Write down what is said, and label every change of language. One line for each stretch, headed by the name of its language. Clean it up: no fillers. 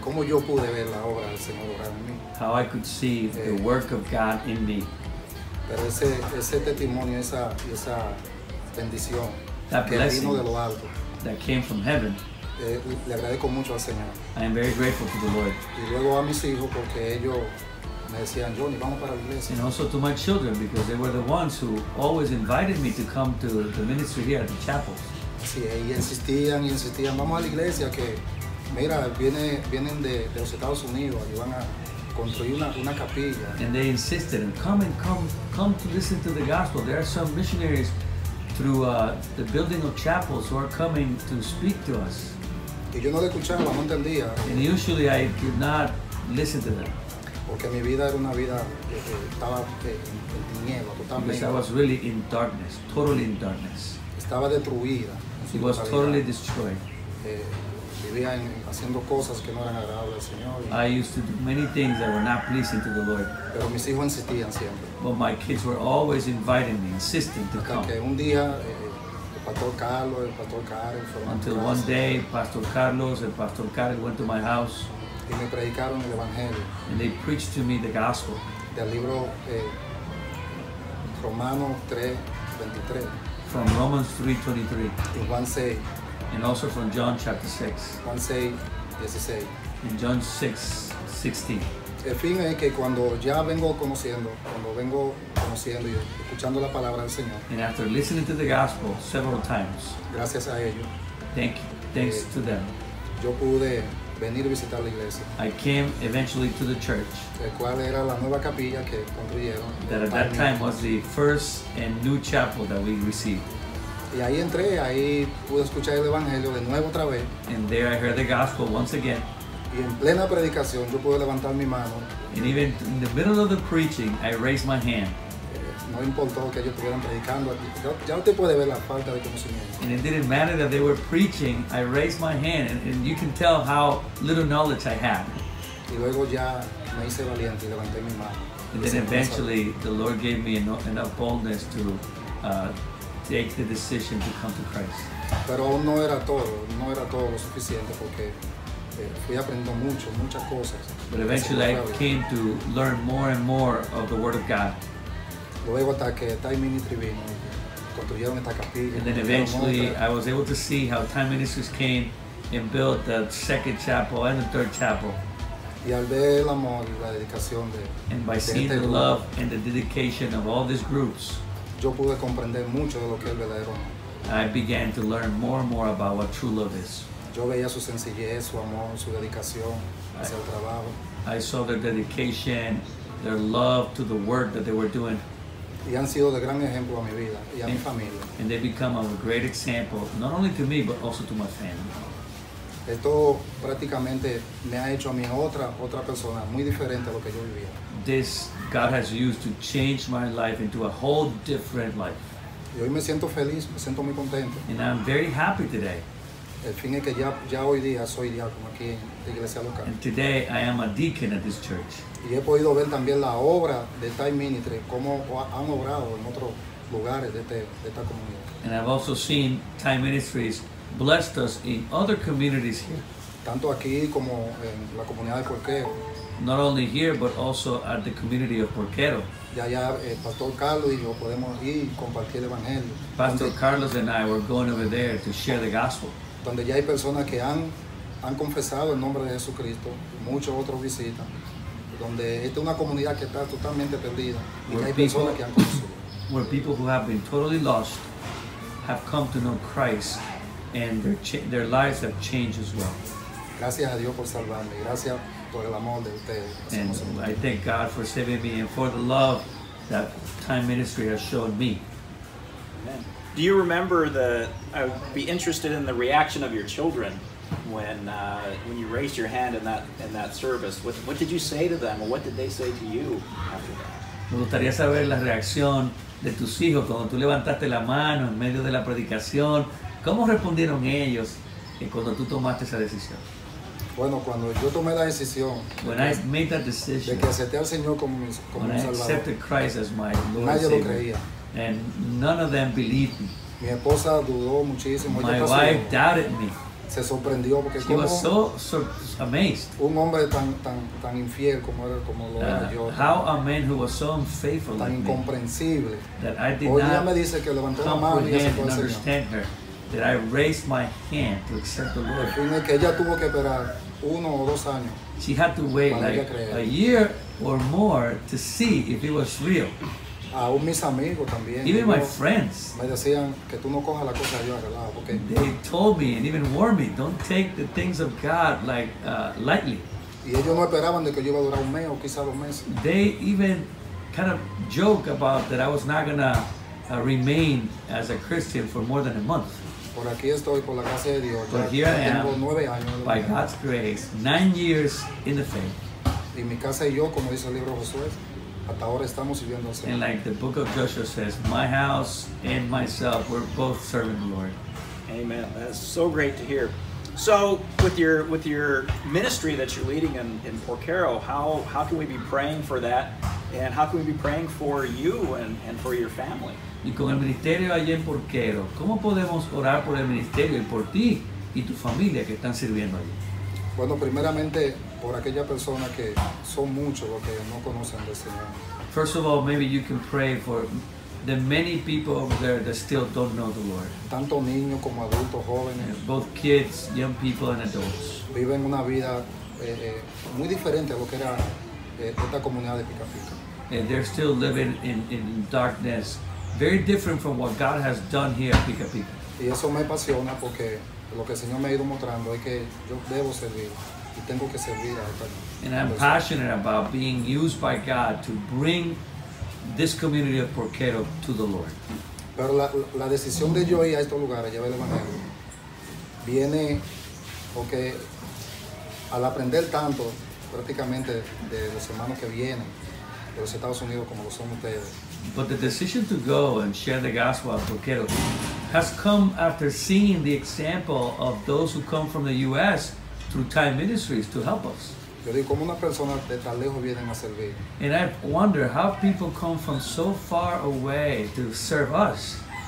Spanish: ¿Cómo yo pude ver la obra del Señor en mí?
English: How I could see the work of God in me.
Spanish: Pero ese testimonio, esa bendición,
English: that
Spanish: que
English: blessing
Spanish: vino de lo alto,
English: that came from heaven.
Spanish: Le agradezco mucho al Señor.
English: I am very grateful to the Lord.
Spanish: Y luego a mis hijos porque ellos me decían, Johnny, vamos para la iglesia.
English: And also to my children, because they were the ones who always invited me to come to the ministry here at the chapel.
Spanish: Sí, y insistían, vamos a la iglesia, que mira, vienen de los Estados Unidos, y van a construir una capilla.
English: And they insisted, come to listen to the gospel. There are some missionaries through the building of chapels who are coming to speak to us.
Spanish: Y yo no le escuchaba, no entendía.
English: And usually I did not listen to them.
Spanish: Porque mi vida era una vida que estaba en tiniebla totalmente.
English: Because I was really in darkness, totally in darkness.
Spanish: Estaba destruida.
English: It was totally destroyed.
Spanish: Vivía haciendo cosas que no eran agradables al Señor.
English: I used to do many things that were not pleasing to the Lord.
Spanish: Pero mis hijos insistían siempre.
English: But my kids were always inviting me, insisting to come.
Spanish: Que un día el Pastor Carlos, el Pastor Karen fueron.
English: Until one day, Pastor Carlos and Pastor Karen went to my house.
Spanish: Y me predicaron el evangelio.
English: And they preached to me the gospel.
Spanish: Del libro Romanos 3:23.
English: From Romans 3:23.
Spanish: Y Juan 6.
English: And also from John chapter 6.
Spanish: Juan 6:16.
English: In John 6:16.
Spanish: El fin es que cuando ya vengo conociendo y escuchando la palabra del Señor.
English: And after listening to the gospel several times.
Spanish: Gracias a ellos.
English: Thanks to them.
Spanish: Yo pude venir a visitar la iglesia.
English: I came eventually to the church.
Spanish: El cual era la nueva capilla que construyeron.
English: That at that time was the first and new chapel that we received.
Spanish: Y ahí entré, ahí pude escuchar el evangelio de nuevo otra vez.
English: And there I heard the gospel once again.
Spanish: Y en plena predicación yo pude levantar mi mano.
English: And even in the middle of the preaching, I raised my hand.
Spanish: No importó que ellos estuvieran predicando. Ya usted puede ver la falta de conocimiento.
English: And it didn't matter that they were preaching. I raised my hand, and you can tell how little knowledge I had.
Spanish: Y luego ya me hice valiente y levanté mi mano.
English: And then eventually, the Lord gave me enough boldness to take the decision to come to Christ.
Spanish: Pero aún no era todo. No era todo lo suficiente porque fui aprendiendo mucho, muchas cosas.
English: But eventually, I came to learn more and more of the Word of God.
Spanish: Luego hasta que Time Ministry vino, construyeron esta capilla.
English: And then eventually, I was able to see how Time Ministries came and built the second chapel and the third chapel.
Spanish: Y al ver el amor y la dedicación de
English: And by
Spanish: de
English: seeing
Spanish: este
English: the
Spanish: grupo,
English: love and the dedication of all these groups,
Spanish: yo pude comprender mucho de lo que es verdadero.
English: I began to learn more and more about what true love is.
Spanish: Yo veía su sencillez, su amor, su dedicación hacia el trabajo.
English: I saw their dedication, their love to the work that they were doing.
Spanish: Y han sido de gran ejemplo a mi vida y a mi familia.
English: And they become a great example, not only to me, but also to my family.
Spanish: Esto prácticamente me ha hecho a mí otra persona, muy diferente a lo que yo vivía.
English: This God has used to change my life into a whole different life.
Spanish: Y hoy me siento feliz, me siento muy contento.
English: And I'm very happy today.
Spanish: El fin es que ya hoy día soy diácono aquí en la iglesia local.
English: And today I am a deacon at this church.
Spanish: Y he podido ver también la obra de Time Ministry, cómo han obrado en otros lugares de esta comunidad.
English: And I've also seen Time Ministries blessed us in other communities here.
Spanish: Tanto aquí como en la comunidad de Porquero.
English: Not only here, but also at the community of Porquero.
Spanish: Ya allá Pastor Carlos y yo podemos ir compartir el evangelio.
English: Pastor Carlos and I were going over there to share the gospel.
Spanish: Donde ya hay personas que han confesado el nombre de Jesucristo, muchos otros visitan. Donde esta es una comunidad que está totalmente perdida y hay personas que han conocido.
English: Where people who have been totally lost have come to know Christ and their lives have changed as well.
Spanish: Gracias a Dios por salvarme. Gracias por el amor de ustedes.
English: And I thank God for saving me and for the love that Time Ministry has shown me. Amen. Do you remember the, I would be interested in the reaction of your children when you raised your hand in that service. What did you say to them? What did they say to you after that?
Spanish: Me gustaría saber la reacción de tus hijos cuando tú levantaste la mano en medio de la predicación. ¿Cómo respondieron ellos cuando tú tomaste esa decisión? Bueno, cuando yo tomé la decisión de que acepté al Señor como mi Salvador,
English: accepted Christ as my Lord,
Spanish: nadie lo creía.
English: And none of them believed me.
Spanish: Mi esposa dudó muchísimo.
English: My wife doubted me.
Spanish: Se sorprendió porque
English: she was so amazed.
Spanish: Un hombre tan infiel como era, como lo era yo.
English: How a man who was so unfaithful,
Spanish: tan incomprensible, me dice que levantó la mano y se fue al Señor.
English: That I raised my hand to accept the Lord.
Spanish: Que ella tuvo que esperar uno o dos años.
English: She had to wait like a year or more to see if it was real.
Spanish: Aún mis amigos también.
English: Even my friends.
Spanish: Me decían que tú no cojas la cosa de Dios al lado, okay?
English: They told me and even warned me, don't take the things of God like lightly.
Spanish: Y ellos no esperaban de que yo iba a durar un mes o quizá dos meses.
English: They even kind of joke about that I was not gonna remain as a Christian for more than a month.
Spanish: Por aquí estoy, por la gracia de Dios.
English: But here I am, by God's grace, 9 years in the faith.
Spanish: Y mi casa y yo, como dice el libro de Josué, hasta ahora estamos sirviendo al Señor.
English: And like the book of Joshua says, my house and myself, we're both serving the Lord. Amen. That's so great to hear. So with your ministry that you're leading in Porquero, how can we be praying for that? And how can we be praying for you and for your family?
Spanish: Y con el ministerio allí en Porquero, ¿cómo podemos orar por el ministerio y por ti y tu familia que están sirviendo allí? Bueno, primeramente, por aquella persona que son muchos los que no conocen del Señor.
English: First of all, maybe you can pray for the many people over there that still don't know the Lord.
Spanish: Tanto niños como adultos, jóvenes.
English: Both kids, young people and adults.
Spanish: Viven una vida muy diferente a lo que era esta comunidad de Pica Pica.
English: And they're still living in darkness. Very different from what God has done here at Pica Pica.
Spanish: Y eso me apasiona porque lo que el Señor me ha ido mostrando es que yo debo servir y tengo que servir a esta
English: And I'm passionate about being used by God to bring this community of Porquero to the Lord.
Spanish: Pero la decisión de yo ir a estos lugares, llevar el evangelio, viene porque al aprender tanto prácticamente de los hermanos que vienen de los Estados Unidos como lo son ustedes.
English: But the decision to go and share the gospel at Porquero has come after seeing the example of those who come from the U.S. through Time Ministries to help us.
Spanish: Yo digo, ¿cómo una persona de tan lejos vienen a servir?
English: And I wonder how people come from so far away to serve us.